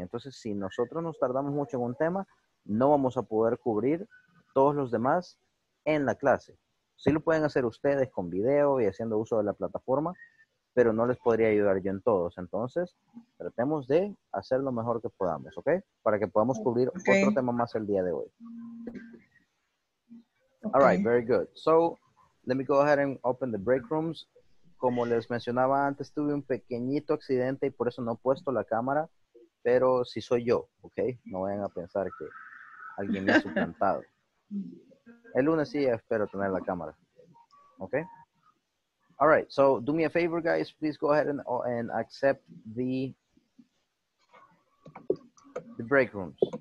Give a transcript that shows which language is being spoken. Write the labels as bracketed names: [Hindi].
[Spanish] Entonces, si nosotros nos tardamos mucho en un tema, no vamos a poder cubrir todos los demás en la clase. Sí lo pueden hacer ustedes con video y haciendo uso de la plataforma, pero no les podría ayudar yo en todos. Entonces, tratemos de hacer lo mejor que podamos, ¿ok? Para que podamos cubrir otro tema más el día de hoy. [English] Okay. All right, very good. So, let me go ahead and open the break rooms. [Spanish] Como les mencionaba antes, tuve un pequeñito accidente y por eso no he puesto la cámara, pero sí soy yo, ¿ok? No vayan a pensar que alguien me ha suplantado. El lunes sí espero tener la cámara, ¿ok? [English] All right, so do me a favor, guys. Please go ahead and accept the break rooms.